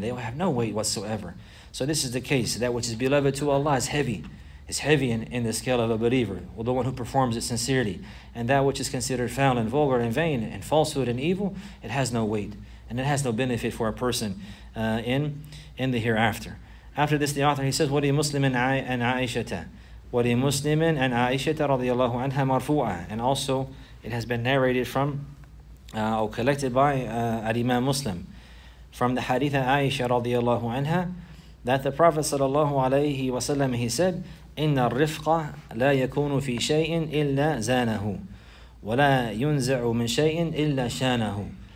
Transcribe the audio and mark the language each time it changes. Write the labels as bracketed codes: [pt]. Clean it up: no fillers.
[en] They will have no weight whatsoever. So this is the case. That which is beloved to Allah is heavy. It's heavy in the scale of a believer, or the one who performs it sincerely. And that which is considered foul and vulgar and vain and falsehood and evil, it has no weight and it has no benefit for a person in the hereafter. After this, the author, he says, [ar] وَلِي مُسْلِمٍ عَنْ عَائِشَةَ وَلِي مُسْلِمٍ عَنْ عَائِشَةَ رَضِيَ اللَّهُ عَنْهَا مَرْفُوعًا. [en] And also, it has been narrated from or collected by Al-Imam Muslim from the Haditha Aisha رَضِيَ اللَّهُ عَنْهَا, that the Prophet sallallahu alayhi wa sallam, he said, [ar] إِنَّ الرِّفْقَ لَا يَكُونُ فِي شَيْءٍ إِلَّا زَانَهُ وَلَا يُنْزَعُ مِنْ شَيْءٍ إِلَّا شَانَهُ.